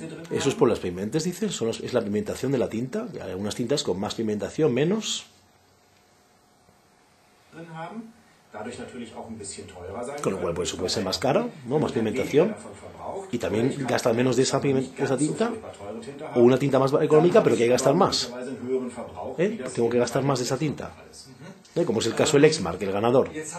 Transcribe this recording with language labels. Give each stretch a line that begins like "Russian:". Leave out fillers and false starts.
Spanish: Eso es por las pigmentes, dicen, es la pigmentación de la tinta. Hay algunas tintas con más pigmentación, menos.
German: drin haben, dadurch natürlich auch ein bisschen teurer sein.
Spanish: Con lo cual, pues, puede ser más caro, ¿no? Más pigmentación. Y también gastar menos de esa, tinta. O una tinta más económica, pero que hay que gastar más. ¿Eh? Tengo que gastar más de esa tinta. ¿Eh? Como es el caso del Exmark, el ganador.